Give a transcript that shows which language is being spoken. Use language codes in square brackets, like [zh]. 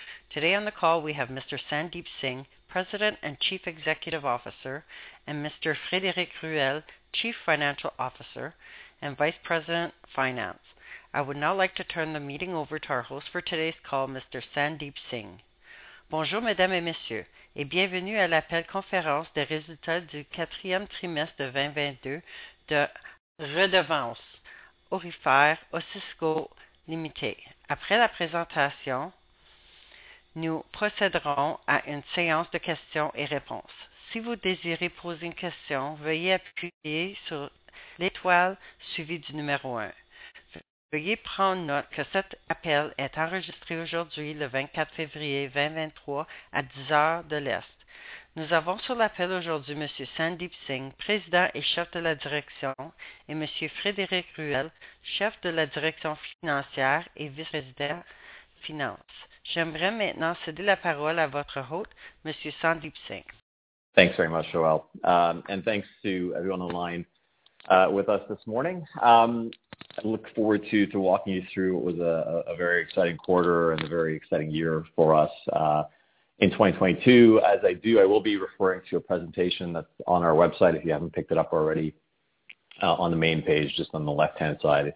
[en] Today on the call, we have Mr. Sandeep Singh, President and Chief Executive Officer, and Mr. Frédéric Ruel, Chief Financial Officer and Vice President, Finance. I would now like to turn the meeting over to our host for today's call, Mr. Sandeep Singh. [fr] Bonjour, Mesdames et Messieurs, et bienvenue à l'appel conférence des résultats du quatrième trimestre de 2022 de Redevance Aurifère Osisko Limité. Après la présentation, nous procéderons à une séance de questions et réponses. Si vous désirez poser une question, veuillez appuyer sur l'étoile suivie du numéro 1. Veuillez prendre note que cet appel est enregistré aujourd'hui, le 24 février 2023, à 10 heures de l'Est. Nous avons sur l'appel aujourd'hui M. Sandeep Singh, président et chef de la direction, et M. Frédéric Ruel, chef de la direction financière et vice-président finance. J'aimerais maintenant céder la parole à votre hôte, M. Sandeep Singh. [en] Thanks very much, Joelle, and thanks to everyone online with us this morning. I look forward to walking you through what was a very exciting quarter and a very exciting year for us in 2022. As I do, I will be referring to a presentation that's on our website if you haven't picked it up already on the main page, just on the left-hand side.